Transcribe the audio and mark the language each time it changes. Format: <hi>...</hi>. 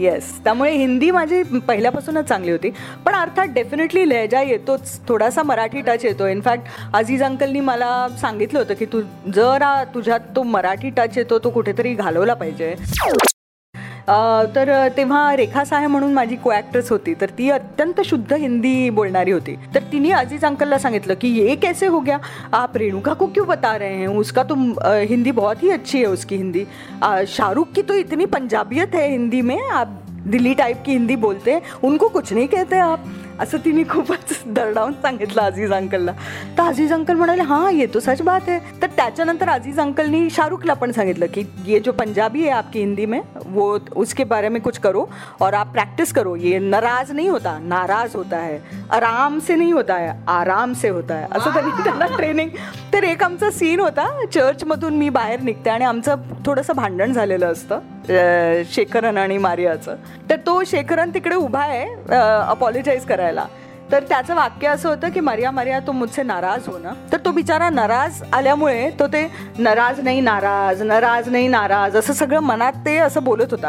<mr>Yes, त्यामुळे हिंदी माझी पहिल्यापासूनच चांगली होती. पण अर्थात डेफिनेटली लहेजा येतोच, थोडासा मराठी टच येतो. इनफॅक्ट अजीज अंकलनी मला सांगितलं होतं की तू जर तुझ्यात तो मराठी टच येतो तो कुठेतरी घालवला पाहिजे. तर तेव्हा रेखा साहेब म्हणून माझी को ऍक्ट्रेस होती, तर ती अत्यंत शुद्ध हिंदी बोलणारी होती. तर तिने अजीज अंकलला सांगितलं की</mr> <hi>ये कैसे हो गया, आप रेणुका को क्यों बता रहे हैं, उसका तो हिंदी बहुत ही अच्छी है, उसकी हिंदी शाहरुख की तो इतनी पंजाबियत है हिंदी में, आप दिल्ली टाइप की हिंदी बोलते हैं, उनको कुछ नहीं कहते आप.</hi> <mr>असं तिने खूपच दरडावून सांगितलं अजीज अंकलला. तर अजीज अंकल म्हणाले</mr> <hi>हां ये तो सच बात है.</hi> <mr>तर त्याच्यानंतर अजीज अंकलनी शाहरुखला पण सांगितलं की</mr> <hi>ये जो पंजाबी है आपकी हिंदी में वो उसके बारे में कुछ करो और आप प्रॅक्टिस करो, ये नाराज नहीं होता, नाराज होता है, आराम से नहीं होता है, आराम से होता है,</hi> <mr>असं त्यांनी त्यांना ट्रेनिंग. तर एक आमचा सीन होता, चर्चमधून मी बाहेर निघते आणि आमचं थोडंसं भांडण झालेलं असतं शेखरन आणि मारियाचं. तर तो शेखरन तिकडे उभा आहे अपॉलॉजाईज करायला. तर त्याचं वाक्य असं होतं की मारिया मारिया</mr> <hi>तो मुझसे नाराज हो ना.</hi> <mr>तर तो बिचारा नाराज आल्यामुळे तो ते नाराज नाही नाराज, नाराज नाही नाराज असं सगळं मनात ते असं बोलत होता.</mr>